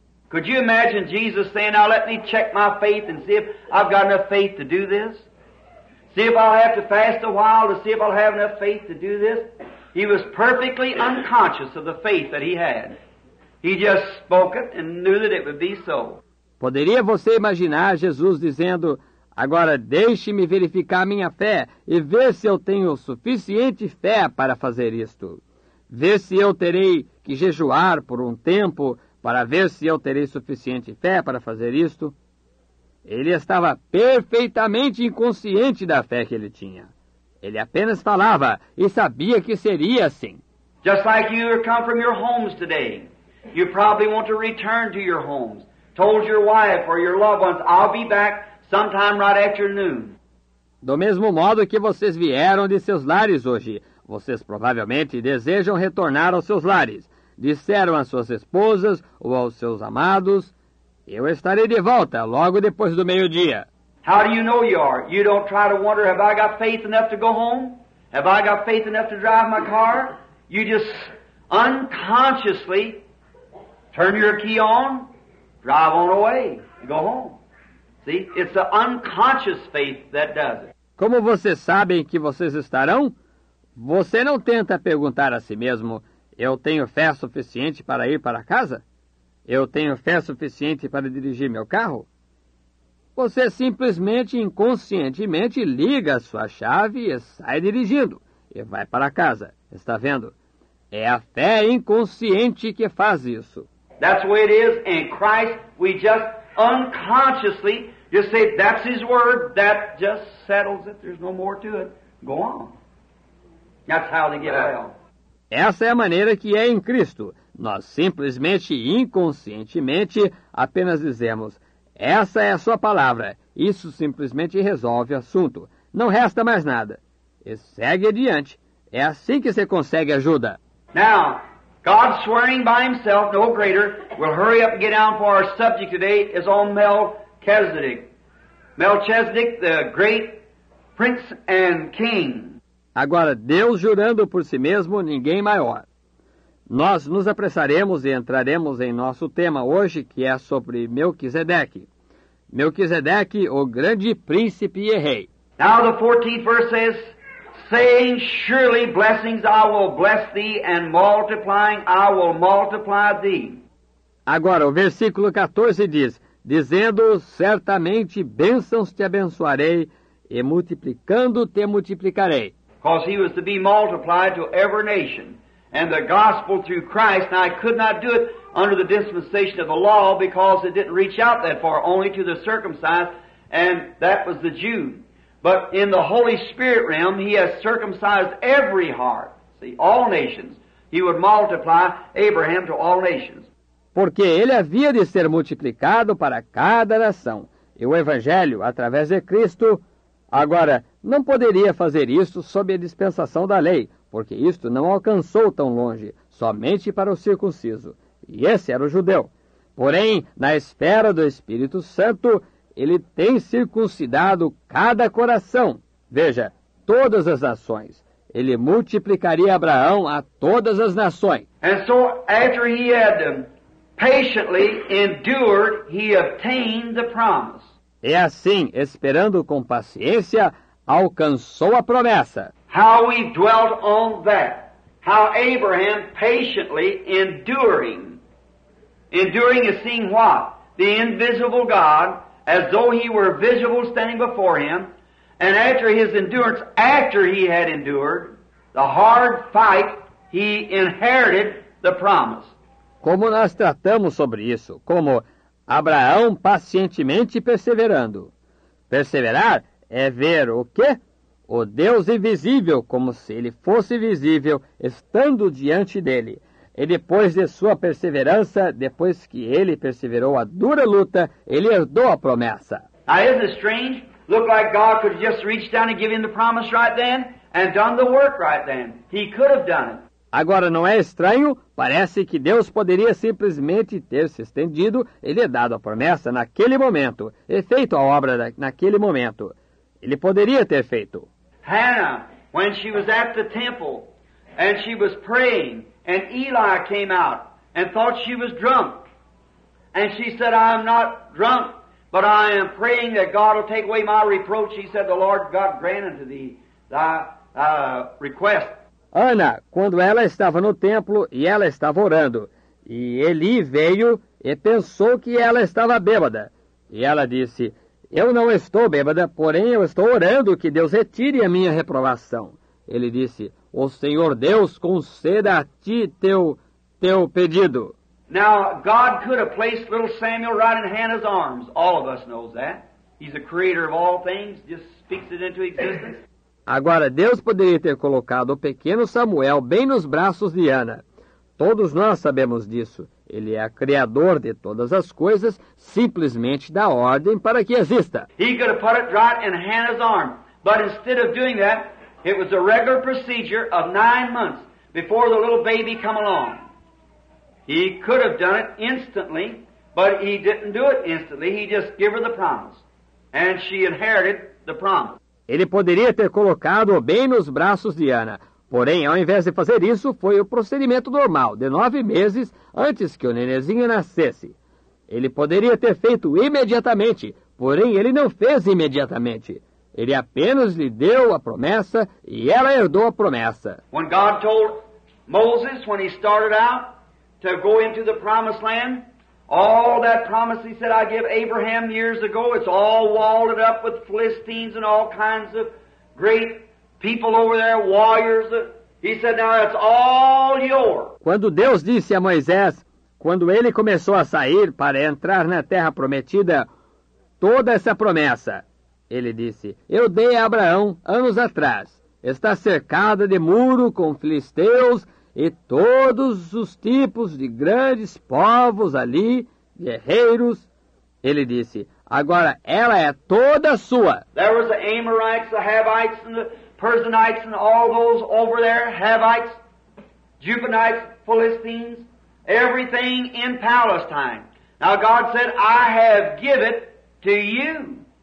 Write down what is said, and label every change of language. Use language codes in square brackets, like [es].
[en] Could you imagine Jesus saying, now let me check my faith and see if I've got enough faith to do this? See if I'll have to fast a while to see if I'll have enough faith to do this? He was perfectly unconscious of the faith that he had. He just spoke it and knew that it would be so. [pt] Poderia você imaginar Jesus dizendo, agora deixe-me verificar minha fé e ver se eu tenho suficiente fé para fazer isto. Ver se eu terei que jejuar por um tempo para ver se eu terei suficiente fé para fazer isto. Ele estava perfeitamente inconsciente da fé que ele tinha. Ele apenas falava e sabia que seria assim. [en] Just like you come from your homes today, you probably want to return to your homes. Told your wife or your loved ones, I'll be back sometime right after noon. [pt] Do mesmo modo que vocês vieram de seus lares hoje, vocês provavelmente desejam retornar aos seus lares. Disseram às suas esposas ou aos seus amados, eu estarei de volta logo depois do meio-dia. [en] How do you know you are? You don't try to wonder, have I got faith enough to go home? Have I got faith enough to drive my car? You just unconsciously turn your key on. Drive on away. Go home. See? It's the unconscious faith that does it. [pt] Como vocês sabem que vocês estarão? Você não tenta perguntar a si mesmo, eu tenho fé suficiente para ir para casa? Eu tenho fé suficiente para dirigir meu carro? Você simplesmente, inconscientemente, liga a sua chave e sai dirigindo. E vai para casa. Está vendo? É a fé inconsciente que faz isso. [en] That's the way it is, and Christ, we just unconsciously just say, that's his word, that just settles it, there's no more to it, go on. That's how they get well. [pt] Essa é a maneira que é em Cristo. Nós simplesmente, inconscientemente, apenas dizemos, essa é a sua palavra, isso simplesmente resolve o assunto, não resta mais nada. E segue adiante, é assim que você consegue ajuda. [en] Now, God swearing by himself, no greater, we'll hurry up and get down for our subject today, is on Melchizedek. Melchizedek, the great prince and king. [pt] Agora, Deus jurando por si mesmo, ninguém maior. Nós nos apressaremos e entraremos em nosso tema hoje, que é sobre Melquisedeque. Melquisedeque, o grande príncipe e rei. [en] Now the 14th verse says, saying, surely blessings I will bless thee, and multiplying I will multiply thee. [pt] Agora, o versículo 14 diz, dizendo, certamente bênçãos te abençoarei, e multiplicando te multiplicarei. [en] Because he was to be multiplied to every nation. And the gospel through Christ, now I could not do it under the dispensation of the law, because it didn't reach out that far, only to the circumcised, and that was the Jew. But in the Holy Spirit realm, he has circumcised every heart. See, all nations. He would multiply Abraham to all nations. [pt] Porque ele havia de ser multiplicado para cada nação. E o Evangelho, através de Cristo, agora, não poderia fazer isto sob a dispensação da lei, porque isto não alcançou tão longe, somente para o circunciso. E esse era o judeu. Porém, na esfera do Espírito Santo, ele tem circuncidado cada coração. Veja, todas as nações. Ele multiplicaria Abraão a todas as nações. [en] And so, after he had patiently endured, he obtained the promise. [pt] E assim, esperando com paciência, alcançou a promessa. [en] How we dwelt on that. How Abraham patiently enduring. Enduring is seeing what? The invisible God, as though he were visible standing before him, and after his endurance, after he had endured the hard fight, he inherited the promise. [pt] Como nós tratamos sobre isso, como Abraão pacientemente perseverando, perseverar é ver o quê? O Deus invisível, como se ele fosse visível, estando diante dele. E depois de sua perseverança, depois que ele perseverou a dura luta, ele herdou a promessa. [en] Now, isn't it strange? Look like God could have just reached down and given him the promise right then and done the work right then. He could have done it. [pt] Agora, não é estranho? Parece que Deus poderia simplesmente ter se estendido e lhe dado a promessa naquele momento, e feito a obra naquele momento. Ele poderia ter feito. [en] Hannah, when she was at the temple, and she was praying, and Eli came out, and thought she was drunk. And she said, I am not drunk, but I am praying that God will take away my reproach. She said, the Lord God grant unto thee thy request. [pt] Ana, quando ela estava no templo e ela estava orando, e Eli veio e pensou que ela estava bêbada. E ela disse, eu não estou bêbada, porém eu estou orando que Deus retire a minha reprovação. Ele disse, o Senhor Deus conceda a ti teu pedido. [en] Now, God could have placed little Samuel right in Hannah's arms. All of us knows that. He's the creator of all things, just speaks it into existence. [pt] Agora, Deus poderia ter colocado o pequeno Samuel bem nos braços de Ana. Todos nós sabemos disso. Ele é criador de todas as coisas, simplesmente dá ordem para que exista. [en] He could have put it right in Hannah's arm. But instead of doing that, it was a regular procedure of 9 months before the little baby come along. He could have done it instantly, but he didn't do it instantly. He just gave her the promise. And she inherited the promise. [pt] Ele poderia ter colocado-o bem nos braços de Ana. Porém, ao invés de fazer isso, foi o procedimento normal, de 9 meses antes que o nenenzinho nascesse. Ele poderia ter feito imediatamente, porém ele não fez imediatamente. Ele apenas lhe deu a promessa e ela herdou a promessa. [en] When God told Moses, when he started out to go into the promised land, all that promise he said I give Abraham years ago, it's all walled up with Philistines and all kinds of great people over there, warriors. He said, now it's all yours. [pt] Quando Deus disse a Moisés, quando ele começou a sair para entrar na terra prometida, toda essa promessa, ele disse, eu dei a Abraão anos atrás, está cercada de muro com filisteus, e todos os tipos de grandes povos ali, guerreiros, ele disse, agora ela é toda sua. [en] There was the Amorites, the Havites, and the Persianites, and all those over there, Havites, Jebusites, Philistines, everything in Palestine. Now God said, I have given it to you.